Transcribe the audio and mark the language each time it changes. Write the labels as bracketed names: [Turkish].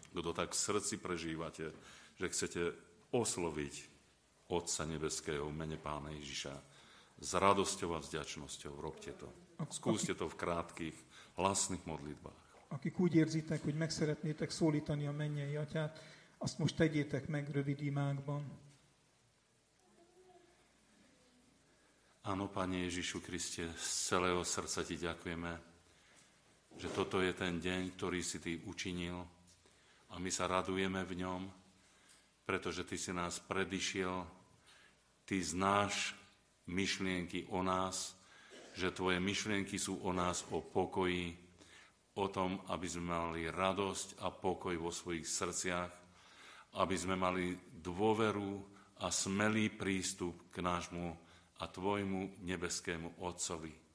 [Slovak] Kto tak v srdci prežívate, že chcete osloviť Otca Nebeského v mene Pána Ježiša s radosťou a vzďačnosťou, robte to. Skúste to v krátkých, hlasných modlitbách. [Hungarian] Akik úgy érzitek, hogy meg szeretnétek szólítani a mennyei atyát, azt most tegyétek meg rövid imákban. [Slovak] Áno, Pane Ježišu Kriste, z celého srdca ti ďakujeme, že toto je ten deň, ktorý si ty učinil a my sa radujeme v ňom, pretože ty si nás predišiel, ty znáš myšlienky o nás, že tvoje myšlienky sú o nás, o pokoji, o tom, aby sme mali radosť a pokoj vo svojich srdciach, aby sme mali dôveru a smelý prístup k nášmu a tvojmu nebeskému Otcovi.